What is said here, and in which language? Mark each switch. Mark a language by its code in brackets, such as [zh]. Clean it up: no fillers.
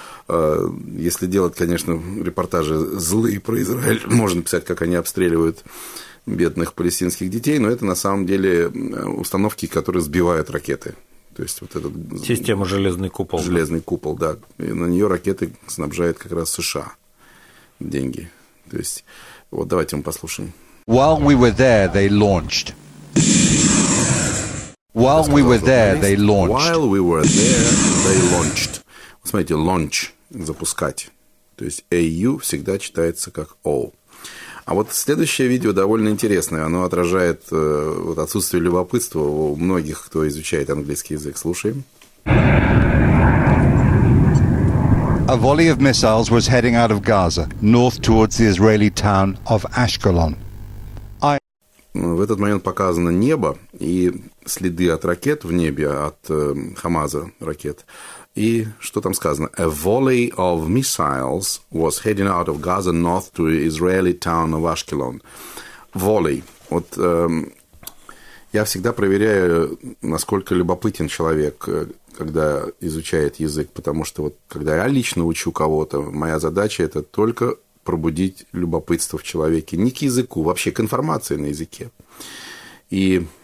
[ru] Если делать, конечно, репортажи злые про Израиль, можно писать, как они обстреливают бедных палестинских детей, но это на самом деле установки, которые сбивают ракеты. То есть вот этот... Система «Железный купол». «Железный купол», да. И на нее ракеты снабжает как раз США деньги. То есть вот давайте мы послушаем. [en] While we were there, they launched. While we were there, they launched. While we were there, they launched. [ru] Смотрите, launch – запускать. То есть AU всегда читается как O. А вот следующее видео довольно интересное. Оно отражает вот, отсутствие любопытства у многих, кто изучает английский язык. Слушаем. [en] A volley of missiles was heading out of Gaza, north towards the Israeli town of Ashkelon. [ru] В этот момент показано небо и следы от ракет в небе, от Хамаза ракет. И что там сказано? [en] A volley of missiles was heading out of Gaza north to Israeli town of Ashkelon. Volley. [ru] Вот я всегда проверяю, насколько любопытен человек, когда изучает язык, потому что вот когда я лично учу кого-то, моя задача – это только пробудить любопытство в человеке, не к языку, вообще к информации на языке. И